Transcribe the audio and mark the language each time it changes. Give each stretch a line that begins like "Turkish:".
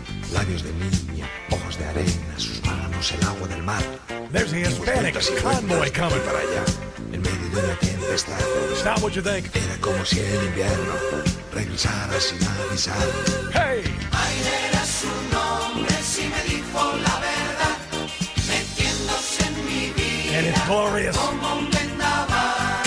Spanish: Labios de niña, ojos de arena, sus manos el agua del mar.
English: There's the Hispanic convoy coming.
Spanish: Para allá, en medio de una tempestad.
English: Stop what you think.
Spanish: Era como si el invierno regresara sin avisar. Hey! Aire era su nombre si me dijo la verdad. Metiéndose en mi vida.
English: And it's glorious.
Spanish: Como un vendaval.